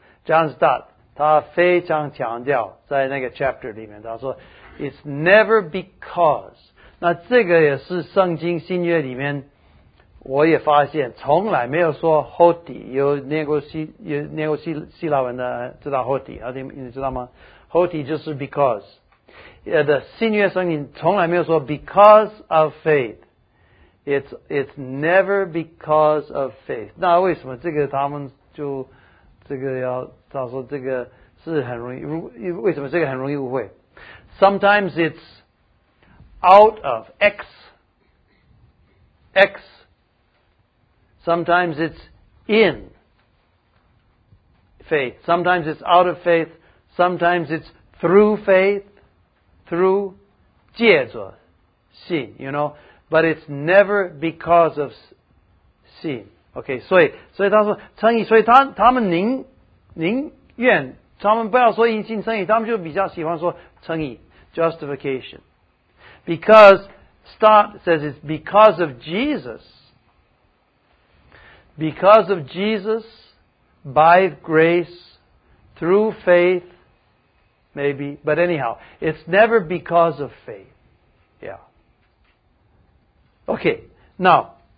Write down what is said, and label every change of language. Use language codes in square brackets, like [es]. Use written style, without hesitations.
[zh] John Stott 他非常强调在那个 chapter 里面，他说 [en] It's never because， [zh] 那这个也是圣经新约里面我也发现从来没有说 Hoti， 有念过希腊文的知道 Hoti， 你知道吗？ [en] Hoti [zh] 就是 [en] because， [zh] 新约圣经从来没有说 [en] because of faith， It's never because of faith。 [zh] 那为什么这个他们就这个要他说这个是很容易，为什么这个很容易误会？ [en] Sometimes it's out of X. Sometimes it's in faith. Sometimes it's out of faith. Sometimes it's through faith. Through [zh] 借着信 [en] you know. But it's never because of [zh] 信 Okay, 所以他说称义，所以他们您愿他们不要说因信称义，他们就比较喜欢说称义 justification， [en] because Stott says it's because of Jesus by grace through faith maybe， but anyhow it's never because of faith， yeah， okay， now